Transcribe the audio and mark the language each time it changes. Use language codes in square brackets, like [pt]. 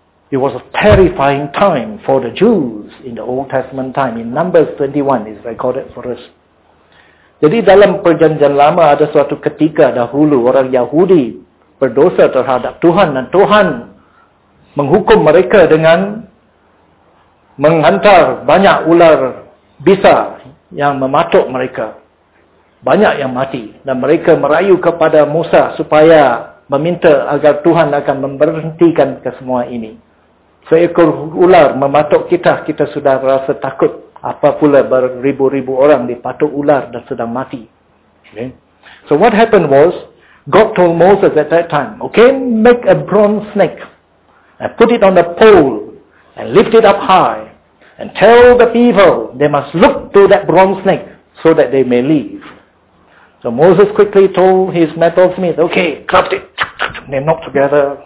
[en] It was a terrifying time for the Jews in the Old Testament time. In Numbers 21 is recorded for us. [ms] Jadi dalam perjanjian lama ada suatu ketika dahulu orang Yahudi berdosa terhadap Tuhan dan Tuhan menghukum mereka dengan menghantar banyak ular bisa yang mematuk mereka. Banyak yang mati dan mereka merayu kepada Musa supaya meminta agar Tuhan akan memberhentikan kesemua ini. Seekor ular mematuk kita, kita sudah rasa takut. Apa pula beribu-ribu orang dipatuk ular dan sedang mati. [en] Okay. So what happened was, God told Moses at that time, okay, make a bronze snake and put it on a pole and lift it up high and tell the people they must look to that bronze snake so that they may leave. So Moses quickly told his metalsmith, okay, craft it. They knocked together.